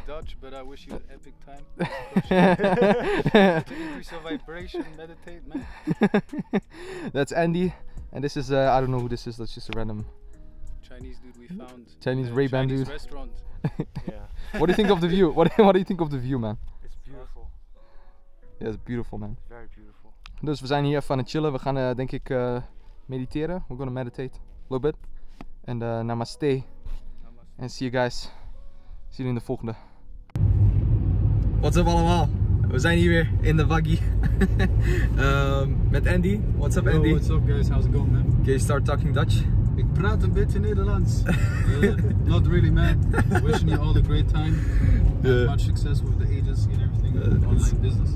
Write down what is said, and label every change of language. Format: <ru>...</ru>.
<en>Don't speak Dutch, but I wish you an epic time. To increase your vibration, meditate, man. That's Andy. And this is, I don't know who this is, that's just a random Chinese dude we found. Chinese Ray-Ban Chinese dude. Chinese restaurant. Yeah. What do you think of the view? What do you think of the view, man? It's beautiful. Yeah, it's beautiful, man. Very beautiful.</en> <nl>Dus we zijn hier even aan het chillen. We gaan, denk ik, mediteren.</nl> <en>We're gonna meditate a little bit. And namaste. And see you guys. See you</en> <nl>in de volgende.</nl> <en>What's up allemaal?</en> <nl>We zijn hier weer in de waggie met Andy.</nl> <en>What's up, Yo, Andy? What's up, guys? How's it going, man? Can you start talking Dutch?</en> <nl>Ik praat een beetje Nederlands.</nl> <en>Not really, man. Wishing you all a great time. Yeah. Much success with the agency and everything, online business.</en>